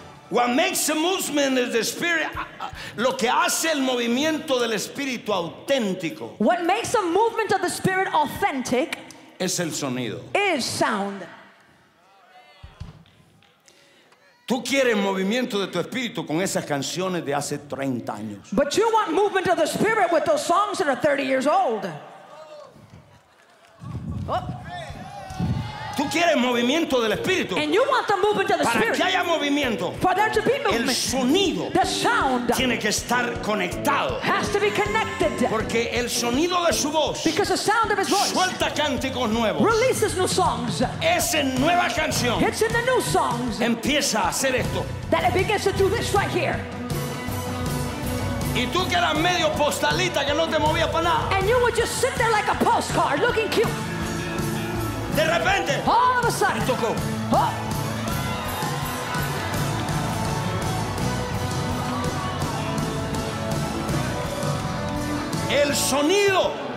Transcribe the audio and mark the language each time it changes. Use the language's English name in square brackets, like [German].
[English] What makes a movement of the spirit, [Spanish] lo que hace el movimiento del espíritu auténtico, [English] what makes a movement of the spirit authentic, [Spanish] es el sonido, [English] is sound. [Spanish] Tú quieres movimiento de tu espíritu con esas canciones de hace 30 años. [English] But you want movement of the spirit with those songs that are 30 years old. [Spanish] Oh. Tú quieres movimiento del espíritu. [English] And you want the movement of the [Spanish] para [English] spirit. [Spanish] Que haya movimiento, [English] for there to be movement, [Spanish] el sonido, [English] the sound, [Spanish] tiene que estar conectado. [English] Has to be connected. [Spanish] Porque el sonido de su voz, [English] because the sound of his voice, [Spanish] suelta cánticos nuevos, [English] releases new songs. [Spanish] Es en nueva canción. [English] It's in the new songs. [Spanish] Empieza a hacer esto. [English] That it begins to do this right here. [Spanish] Y tú que eras medio postalita que no te movías para nada. [English] And you would just sit there like a postcard, looking cute. [Spanish] De repente, [English] all of a sudden, [Spanish] tocó. Oh. El sonido,